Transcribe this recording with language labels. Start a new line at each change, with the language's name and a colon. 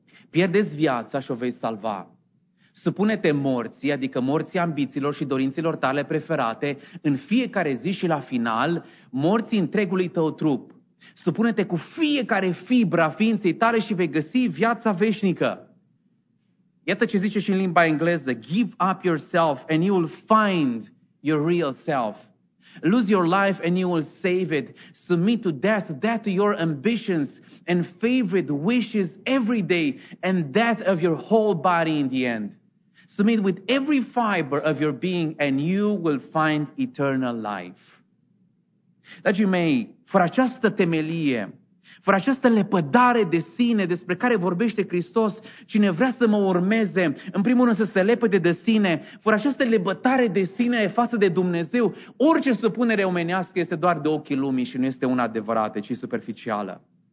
Romanian: Pierde-ți viața și o vei salva. Supune-te morții, adică morții ambițiilor și dorințelor tale preferate, în fiecare zi și la final, morții întregului tău trup. Supune-te cu fiecare fibra ființei tale și vei găsi viața veșnică. Iată ce zice și în limba engleză,
English: give up yourself and you will find your real self. Lose your life and you will save it. Submit to death, death to your ambitions and favorite wishes every day and death of your whole body in the end. Submit with every fiber of your being and you will find eternal life.
Romanian: Dragii mei, fără această temelie, fără această lepădare de sine despre care vorbește Hristos, cine vrea să mă urmeze, în primul rând să se lepăde de sine, fără această lepădare de sine față de Dumnezeu, orice supunere omenească este doar de ochii lumii și nu este una adevărată, ci superficială.